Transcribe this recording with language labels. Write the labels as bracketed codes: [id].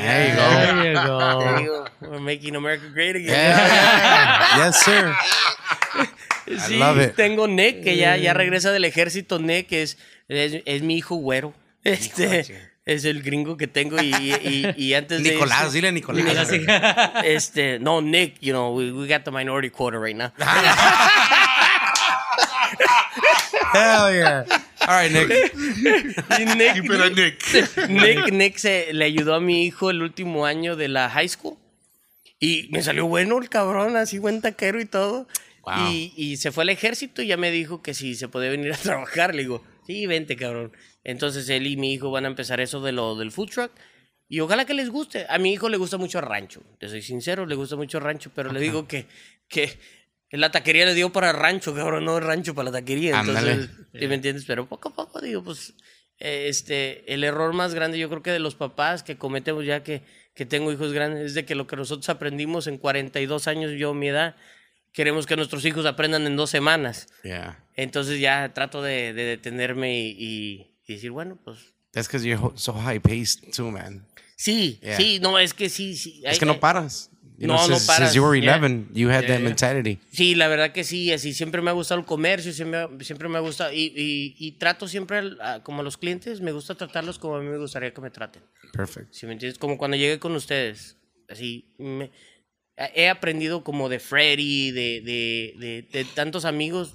[en] There you go. We're making America great again. Yes, sir. [es] Sí, [en] I love it. [es] Tengo Nick, que ya regresa del ejército. Nick es mi hijo güero. Es el gringo que tengo y antes de... Nicolás, dile a Nicolás. [en] Nick, you know, we got the minority quota right now. Hell yeah. All right, Nick. Nick. Keep it a Nick. [es] Nick se, le ayudó a mi hijo el último año de la high school. Y me salió bueno el cabrón, así buen taquero y todo. Wow. Y se fue al ejército y ya me dijo que si se podía venir a trabajar. Le digo, sí, vente, cabrón. Entonces él y mi hijo van a empezar eso de lo del food truck. Y ojalá que les guste. A mi hijo le gusta mucho rancho. Te soy sincero, le gusta mucho rancho. Pero okay, le digo que la taquería le dio para rancho, cabrón. No rancho para la taquería. Ándale. Entonces, ¿sí me entiendes? Pero poco a poco, digo, pues, el error más grande yo creo que de los papás que cometemos ya que tengo hijos grandes es de que lo que nosotros aprendimos en 42 años, yo mi edad, queremos que nuestros hijos aprendan en 2 semanas. [en] Yeah. [es] Entonces ya trato de detenerme y decir, bueno, pues... [en] That's because you're so high-paced too, man. [es] Sí, yeah. Sí, no, es que sí, sí. Es que no paras. No paras. [en] Since you were 11, yeah, you had that mentality. [es] Sí, la verdad que sí, así siempre me ha gustado el comercio, siempre me ha gustado. Y trato siempre como a los clientes, me gusta tratarlos como a mí me gustaría que me traten. Perfect. ¿Sí me entiendes? Como cuando llegué con ustedes, así me... He aprendido como de Freddy, de tantos amigos.